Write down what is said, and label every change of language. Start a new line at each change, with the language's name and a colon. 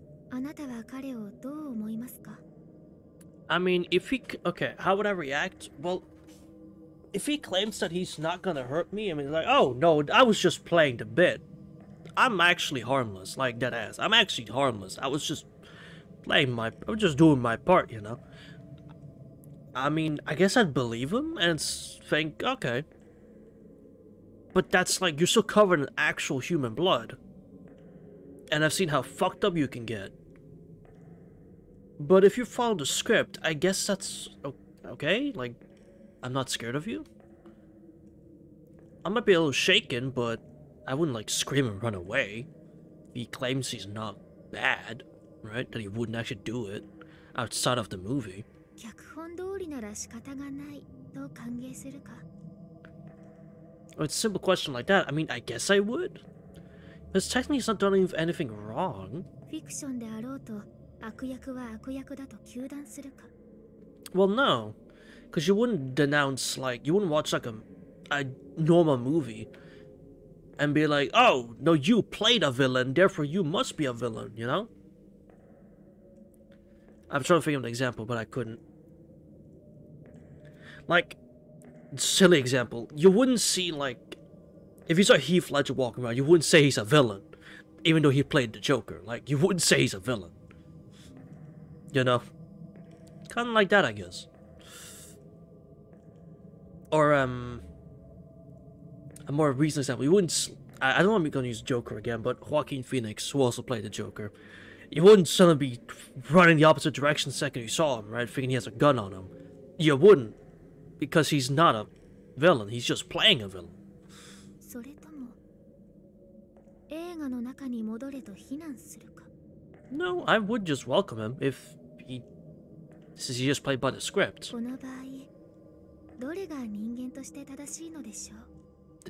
Japanese: あなたは彼をどう思いますか?
English: I mean, if he... Okay, how would I react? Well... If he claims that he's not gonna hurt me, I mean, like, oh no, I was just playing the bit. I'm actually harmless, like, deadass. I'm actually harmless. I was just playing my, I was just doing my part, you know? I mean, I guess I'd believe him and think, okay. But that's like, you're still covered in actual human blood. And I've seen how fucked up you can get. But if you follow the script, I guess that's okay, like,I'm not scared of you. I might be a little shaken, but I wouldn't like scream and run away. He claims he's not bad, right? That he wouldn't actually do it outside of the movie.
Japanese: 脚本通りなら仕方がないと歓迎するか?
English: It's a simple question like that. I mean, I guess I would. Because technically he's not done anything wrong.
Japanese: フィクションであろうと悪役は悪役だと糾弾するか?
English: Well, no. Because you wouldn't denounce, like, you wouldn't watch, like, a normal movie and be like, oh, no, you played a villain, therefore you must be a villain, you know? I'm trying to think of an example, but I couldn't. Like, silly example. You wouldn't see, like, if you saw Heath Ledger walking around, you wouldn't say he's a villain, even though he played the Joker. Like, you wouldn't say he's a villain. You know? Kind of like that, I guess. Or, a more recent example, you wouldn't, I don't want to be going to use Joker again, but Joaquin Phoenix, who also played the Joker, you wouldn't suddenly be running the opposite direction the second you saw him, right, thinking he has a gun on him. You wouldn't, because he's not a villain, he's just playing a villain.
Japanese: それとも、映画の中に戻れと非難するか?
English: No, I would just welcome him if he, since he just played by the script.
Japanese: この場合どれが人間として正しいのでしょう?